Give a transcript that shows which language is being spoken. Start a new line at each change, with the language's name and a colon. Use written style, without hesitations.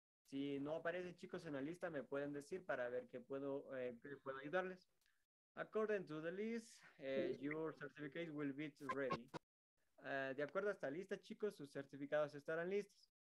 Spanish: Si no aparecen chicos en la lista, me pueden decir para ver qué puedo ayudarles.
English: According to the list, your certificate will be ready.
Spanish: De acuerdo a esta lista, chicos, sus certificados estarán listos.